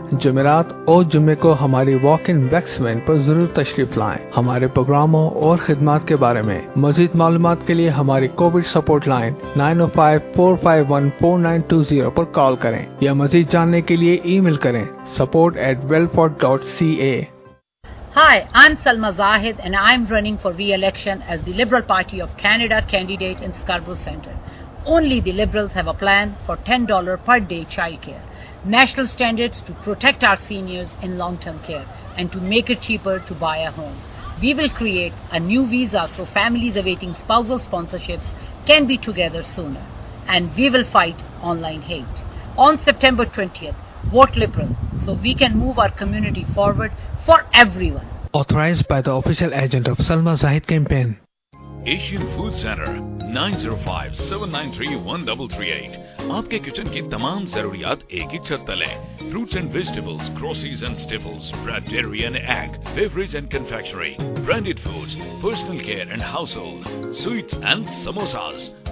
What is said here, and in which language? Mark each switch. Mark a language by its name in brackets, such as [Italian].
[Hindi] जुमेरात और जुमे को हमारी वॉक इन वैक्सीन पर जरूर तशरीफ लाएं। हमारे प्रोग्रामों और खिदमत के बारे में मजीद मालूम के लिए हमारी कोविड सपोर्ट लाइन 9054514920 पर कॉल करें या मजीद जानने के लिए ईमेल करें support@wellfort.ca। [English] Hi, I'm Salma Zahid and I'm running for re-election as the Liberal Party of Canada candidate in Scarborough Centre. Only the Liberals have a plan for $10 per day childcare, national standards to protect our seniors in long-term care and to make it cheaper to buy a home. We will create a new visa so families awaiting spousal sponsorships can be together sooner, and we will fight online hate. On September 20th, vote Liberal so we can move our community forward for everyone. Authorized by the official agent of Salma Zahid campaign. Asian Food Center 905-793-1338. [Hindi] आपके kitchen की तमाम जरूरियात एक ही छत तले। Fruits and vegetables, groceries and स्टिफल्स, bread, dairy and egg, beverage and confectionery, branded foods, personal care and household, sweets and samosas.